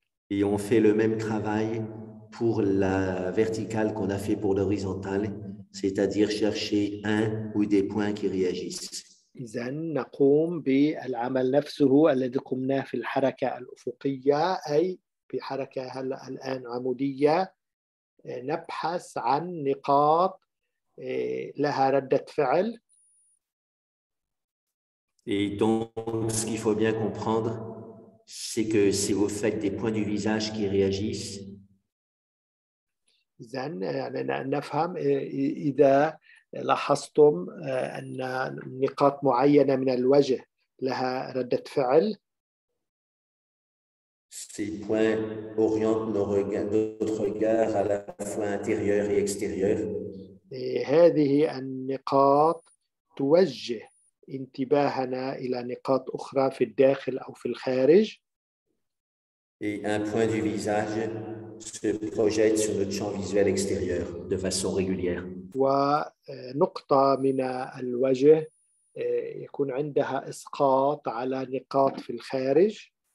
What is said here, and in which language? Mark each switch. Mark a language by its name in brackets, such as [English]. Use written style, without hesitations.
[French] Et on fait le même travail pour la verticale qu'on a fait pour l'horizontale, c'est-à-dire chercher un ou des points qui réagissent. [Arabic] إذن نقوم بالعمل نفسه الذي قمناه في الحركة الأفقية أي في حركة الآن عمودية نبحث عن نقاط لها ردة فعل. [French] Et donc, ce qu'il faut bien comprendre, c'est que si vous faites des points du visage qui réagissent, [Arabic] إذن علينا أن نفهم إذا لاحظتم أن نقاط معينة من الوجه لها ردة فعل. [French] Ces points orientent notre regard à la fois intérieur et extérieur. [Arabic] هذه النقاط توجه انتباهنا إلى نقاط أخرى في الداخل أو في الخارج. [French] Et un point du visage se projette sur notre champ visuel extérieur de façon régulière. [Arabic] ونقطة من الوجه يكون عندها إسقاط على نقاط في الخارج.